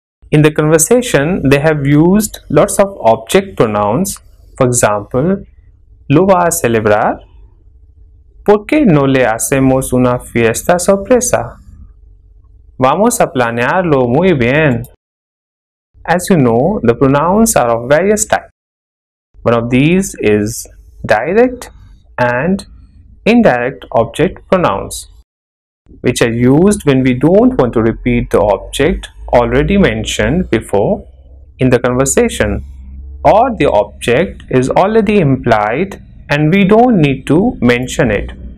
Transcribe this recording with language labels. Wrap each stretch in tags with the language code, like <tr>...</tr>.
<en>In the conversation, they have used lots of object pronouns.</en> <es>For example, ¿lo va a celebrar? ¿Por qué no le hacemos una fiesta sorpresa? Vamos a planearlo muy bien.</es> <en>As you know, the pronouns are of various types. One of these is direct and indirect object pronouns, which are used when we don't want to repeat the object already mentioned before in the conversation, or the object is already implied and we don't need to mention it.</en>